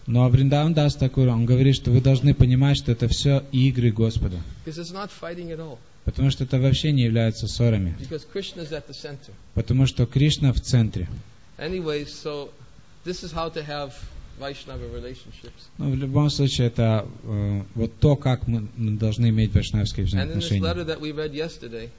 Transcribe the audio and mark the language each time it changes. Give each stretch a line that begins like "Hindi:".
Russian: Но Вриндаван Дас Такур, он говорит, что вы должны понимать, что это все игры Господа.
English: Because it's not fighting at all.
Russian: Потому что это вообще не является ссорами.
English: Because Krishna is at the center.
Russian: Потому что Кришна в центре.
English: Anyway, so this is how to have Vaishnava relationships.
Russian: Ну, в любом случае, это вот то, как мы должны иметь вайшнавские взаимоотношения.